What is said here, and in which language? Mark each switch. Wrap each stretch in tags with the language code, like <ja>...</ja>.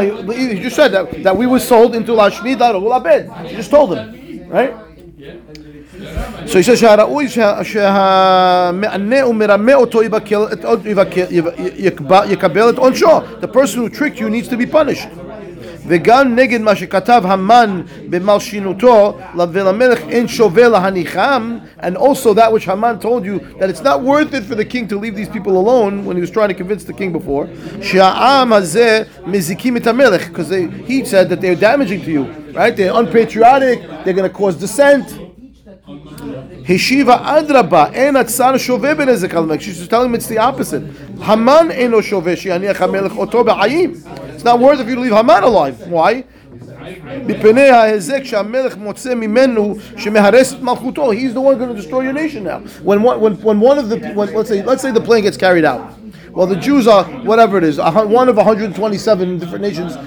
<en>He just said that we were sold into Lashmid Arul Abed. She just told him. Right? So he says, "Sha'ra'uy sha'me'ane'u mirame'u to'ibakil yikabel et onsho." The person who tricked you needs to be punished.</en> <he>וגם נגד מה שכתב המן במלשינותו ולמלך אין שווה להניחם.</he> <en>And also that which Haman told you, that it's not worth it for the king to leave these people alone when he was trying to convince the king before.</en> <he>שהעם הזה מזיקים את המלך,</he> <en>because he said that they're damaging to you, right? They're unpatriotic, they're going to cause dissent.</en> <he>הישיבה אדרבה, אין הצער שווה בנזק על המלך.</he> <en>She's telling him it's the opposite.</en> <he>המן אינו שווה שיניח המלך אותו בעיים.</he> <en>It's not worth it if you leave Haman alive. Why? He's the one going to destroy your nation now. Let's say the plan gets carried out. Well, the Jews are whatever it is, one of 127 different nations.</en>